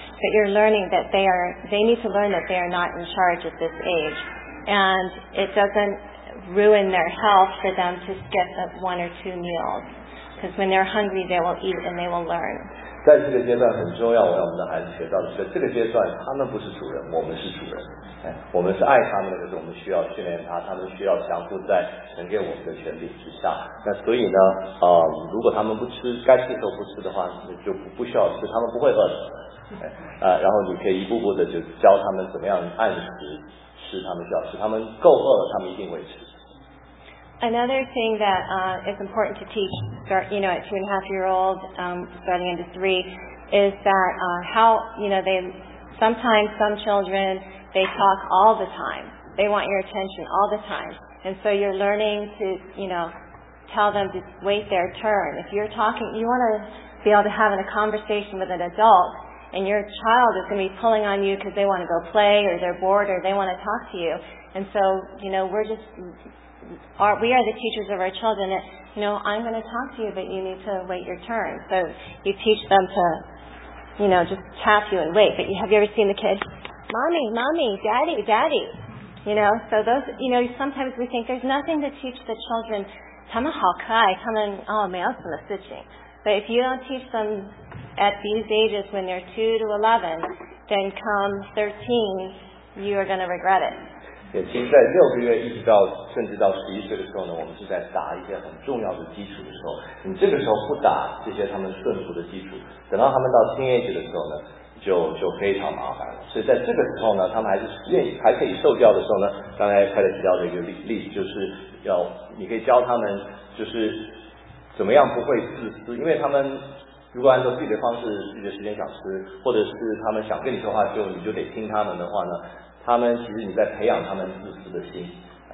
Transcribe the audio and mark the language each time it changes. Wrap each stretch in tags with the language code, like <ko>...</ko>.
<en>But you're learning that they need to learn that they are not in charge at this age. And it doesn't ruin their health for them to skip one or two meals.Because when they're hungry, they will eat and they will learn.</en> <zh>在这个阶段很重要，我让我们的孩子学到的是，这个阶段他们不是主人，我们是主人。我们是爱他们的，可是我们需要训练他，他们需要降服在神给我们的权柄之下。那所以呢，如果他们不吃，该吃的时候不吃的话，就不需要吃，他们不会饿的。然后你可以一步步的就教他们怎么样按时吃他们需要吃，他们够饿了，他们一定会吃。</zh> <en>Another thing that is important to teach, start, you know, at 2.5-year-old, starting into 3, is that how, you know, they, sometimes some children, they talk all the time. They want your attention all the time. And so you're learning to, you know, tell them to wait their turn. If you're talking, you want to be able to have a conversation with an adult, and your child is going to be pulling on you because they want to go play, or they're bored, or they want to talk to you. And so, you know, we are the teachers of our children that, you know, I'm going to talk to you, but you need to wait your turn. So you teach them to, you know, just tap you and wait. But have you ever seen the kid? Mommy, mommy, daddy, daddy. You know, so those, you know, sometimes we think there's nothing to teach the children. But if you don't teach them at these ages when they're 2 to 11, then come 13, you are going to regret it.</en> <zh>其实在六个月一直到甚至到十一岁的时候呢，我们是在打一些很重要的基础的时候，你这个时候不打这些他们顺服的基础，等到他们到青年期的时候呢，就非常麻烦了。所以在这个时候呢，他们还是愿意还可以受教的时候呢，刚才快点提到的一个例子，就是要你可以教他们就是怎么样不会自私，因为他们如果按照自己的方式自己的时间想吃，或者是他们想跟你说话就你就得听他们的话呢，他们其实你在培养他们自私的心。</zh>